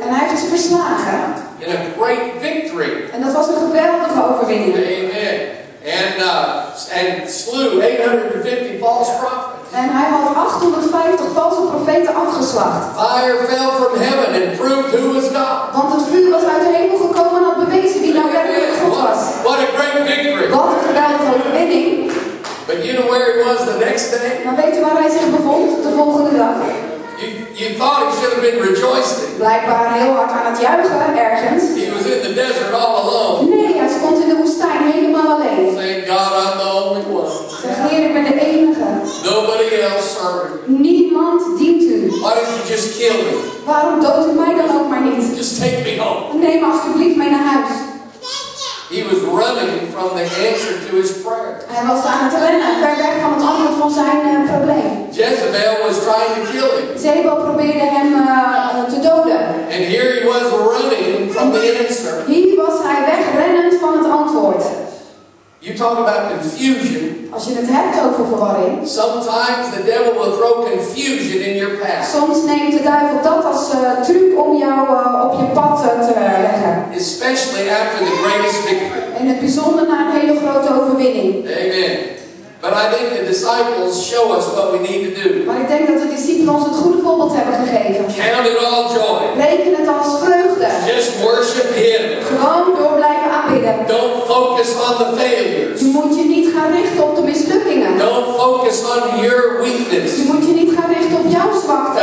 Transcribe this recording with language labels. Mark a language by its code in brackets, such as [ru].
[nl] En hij heeft ze verslagen. [en] In a great victory. [nl] En dat was een geweldige overwinning. [en] Amen. And slew 850 false prophets. [nl] En hij had 850 valse profeten afgeslacht. [en] Fire fell from heaven and proved who was God. [nl] Want het vuur was uit de hemel gekomen en had bewezen wie nou werkelijk God was. [en] What a great victory. [nl] Wat een geweldige overwinning. [en] But you know where it was the next day? [nl] Maar weet u waar hij zich bevond de volgende dag? [en] You thought he should have been rejoicing. [nl] Blijkbaar heel hard aan het juichen ergens. [en] He was in the desert all alone. [nl] Nee, hij stond in de woestijn helemaal alleen. [en] Thank God I'm the only one. [nl] Zeg Heer, ik ben de enige. [en] Nobody else served. [nl] Niemand dient u. [en] Why don't you just kill me? [nl] Waarom doodt u mij dan ook maar niet? [en] Just take me home. [nl] Neem alsjeblieft mij naar huis. [en] He was running from the answer to his prayer. [nl] Hij was aan het rennen, ver weg van het antwoord van zijn probleem. [en] Jezebel was trying to kill him. [nl] Zebel probeerde hem te doden. [en] And here he was running from the answer. [nl] Hier was hij wegrennend van het antwoord. [en] You talk about confusion. [nl] Als je het hebt over verwarring. [en] Sometimes the devil will throw confusion in your path. [nl] Soms neemt de duivel dat als truc om jou op je pad te leggen. [en] Especially after the greatest victory. [nl] In het bijzonder na een hele grote overwinning. [en] Amen. But I think the disciples show us what we need to do. [nl] Maar ik denk dat de discipelen ons het goede voorbeeld hebben gegeven. [en] Count it all joy. [nl] Reken het als vreugde. [en] Just worship Him. [nl] Gewoon door blijven aanbidden. [en] Don't focus on the failures. [nl] Je moet je niet gaan richten op de mislukkingen. [en] Don't focus on your weakness. [nl] Je moet je niet gaan richten op jouw zwakte.